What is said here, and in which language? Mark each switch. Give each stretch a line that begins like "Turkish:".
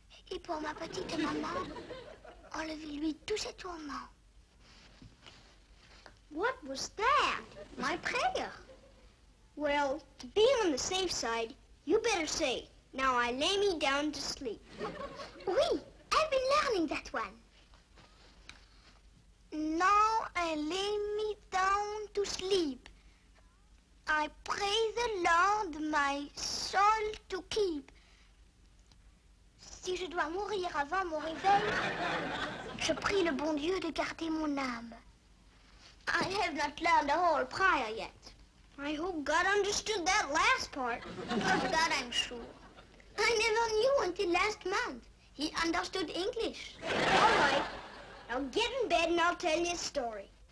French: Et pour ma petite maman, enlevez-lui tous ses tourments.
English: What was that? My prayer. Well, to be on the safe side, you better say, now I lay me down to sleep. Oui, I've been learning that one. Now I lay me down to sleep. I pray the Lord my soul to keep.
French: Si je dois mourir avant mon réveil, je prie le bon Dieu de garder mon âme.
English: I have not learned the whole prayer yet. I hope God understood that last part. Of that I'm sure. I never knew until last month. He understood English. All right. Now get in bed and I'll tell you a story.